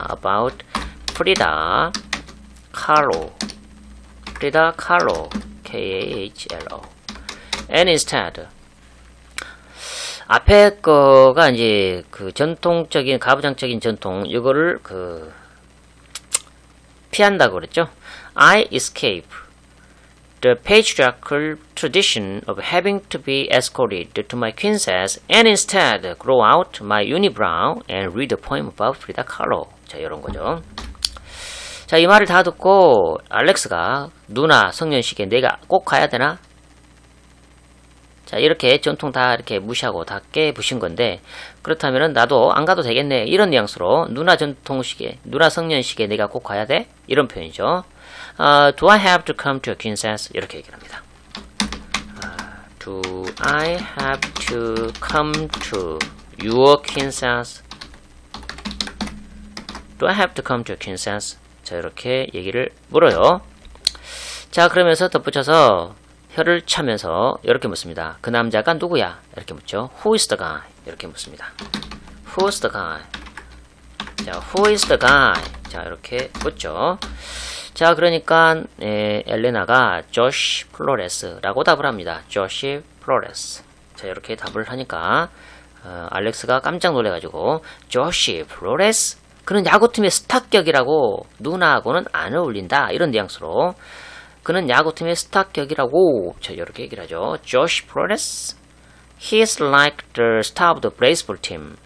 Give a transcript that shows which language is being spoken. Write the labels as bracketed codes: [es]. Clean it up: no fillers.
[en] about Frida Kahlo. Frida Kahlo. K-A-H-L-O. And instead. [ko] 앞에 거가 이제 그 전통적인, 가부장적인 전통, 이거를 그, 피한다고 그랬죠? [en] I escape the patriarchal tradition of having to be escorted to my queen's and instead grow out my unibrow and read a poem about Frida Kahlo. [ko] 자, 이런 거죠. 자, 이 말을 다 듣고 알렉스가 누나 성년식에 내가 꼭 가야 되나? 자, 이렇게 전통 다 이렇게 무시하고 다 깨부신 건데, 그렇다면 나도 안 가도 되겠네. 이런 뉘앙스로 누나 전통식에, 누나 성년식에 내가 꼭 가야 돼? 이런 표현이죠. [en] Do I have to come to a queen's? [ko] 이렇게 얘기를 합니다. [en] Do I have to come to your queen's? Do I have to come to a queen's? [ko] 자, 이렇게 얘기를 물어요. 자, 그러면서 덧붙여서 혀를 차면서 이렇게 묻습니다. 그 남자가 누구야? 이렇게 묻죠. [en] Who is the guy? [ko] 이렇게 묻습니다. [en] Who's the guy? [ko] 자, [en] Who is the guy? [ko] 자, 이렇게 묻죠. 자, 그러니까 엘레나가 Josh Flores라고 답을 합니다. Josh Flores. 자, 이렇게 답을 하니까 알렉스가 깜짝 놀래가지고 Josh Flores? 그는 야구팀의 스타격이라고 누나하고는 안 어울린다. 이런 뉘앙스로 그는 야구팀의 스타격이라고 저 이렇게 얘기를 하죠. [en] Josh Flores? He's like the star of the baseball team.